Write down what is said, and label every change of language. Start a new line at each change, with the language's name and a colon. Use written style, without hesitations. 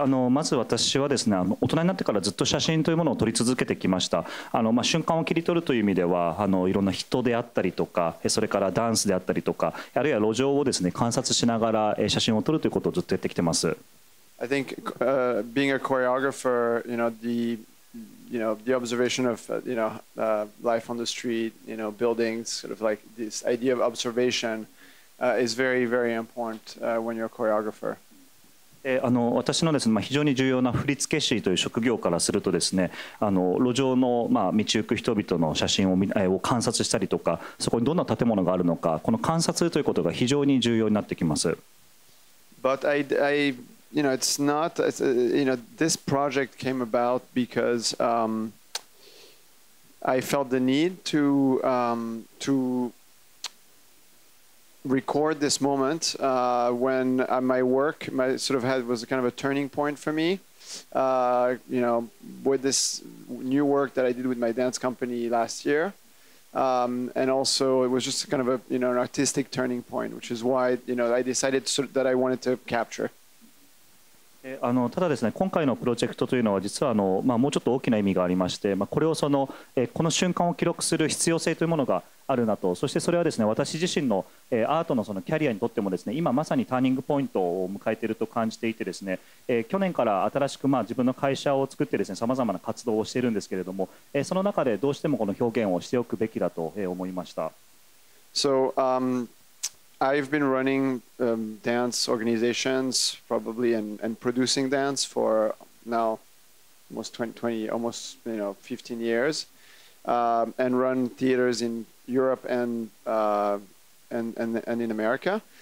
Japanese: まず私はですね、大人になってからずっと写真というものを撮り続けてきました。瞬間を切り取るという意味ではいろんな人であったりとか、それからダンスであったりとか、あるいは路上をですね、観察しながら写真を撮るということをずっとやってきてます。
English: I think, being a choreographer, the observation of, life on the street, buildings, sort of like this idea of observation, is very, very important, when you're a choreographer.
Japanese: 私のですね、非常に重要な振付師という職業からするとですね、路上の、道行く人々の写真 を観察したりとか、そこにどんな建物があるのか、この観察ということが非常に重要になってきます。
English: But I it's not, this project came about because, I felt the need to, to record this moment, when my work was kind of a turning point for me, with this new work that I did with my dance company last year, and also it was just kind of a an artistic turning point, which is why I decided that I wanted to capture.
Japanese: ただですね、今回のプロジェクトというのは実はもうちょっと大きな意味がありまして、これをこの瞬間を記録する必要性というものがあるなと、そしてそれはですね、私自身の、アート の, そのキャリアにとってもですね、今まさにターニングポイントを迎えていると感じていてですね、去年から新しく自分の会社を作ってですね、さまざまな活動をしているんですけれども、その中でどうしてもこの表現をしておくべきだと、思いました。
English: So, I've been running dance organizations, probably, and producing dance for now almost 15 years, and run theaters in Europe and in America.